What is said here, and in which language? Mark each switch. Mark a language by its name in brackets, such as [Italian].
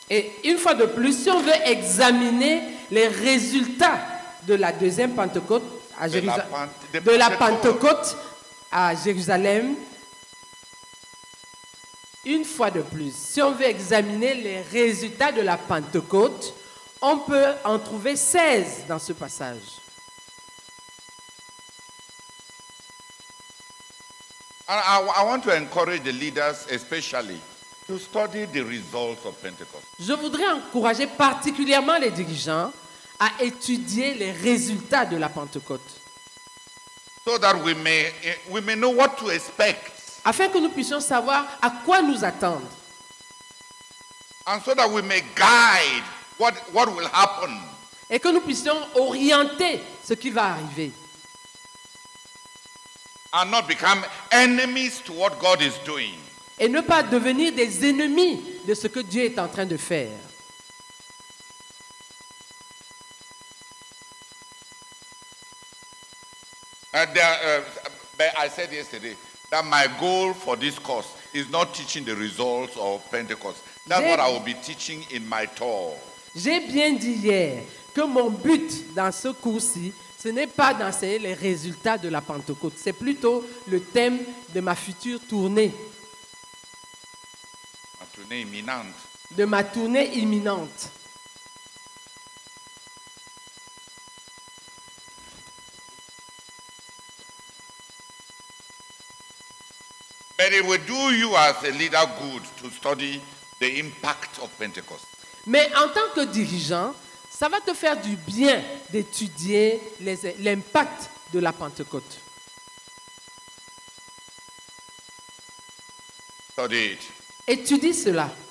[French] Et une fois de plus, si on veut examiner les résultats de la deuxième Pentecôte à Jérusalem, une fois de plus, si on veut examiner les résultats de la Pentecôte, on peut en trouver 16 dans ce passage. [English] I want to encourage the leaders especially to study the results of Pentecost. [French] Je voudrais encourager particulièrement les dirigeants à étudier les résultats de la Pentecôte. [English] So that we may know what to expect. [French] Afin que nous puissions savoir à quoi nous attendre. [English] And so that we may guide what will happen. [French] Et que nous puissions orienter ce qui va arriver. [English] and not become enemies to what God is doing. [French] Et ne pas devenir des ennemis de ce que Dieu est en train de faire. [English] I said yesterday that my goal for this course is not teaching the results of Pentecost. That's what I will be teaching in my tour. [French] J'ai bien dit hier que mon but dans ce cours-ci, ce n'est pas d'enseigner les résultats de la Pentecôte. C'est plutôt le thème de ma future tournée. Ma tournée imminente. De ma tournée imminente. [English] But it will do you as a leader good to study the impact of Pentecost. [French] Mais en tant que dirigeant, ça va te faire du bien d'étudier l'impact de la Pentecôte. [English] Study it. [French] Étudie cela.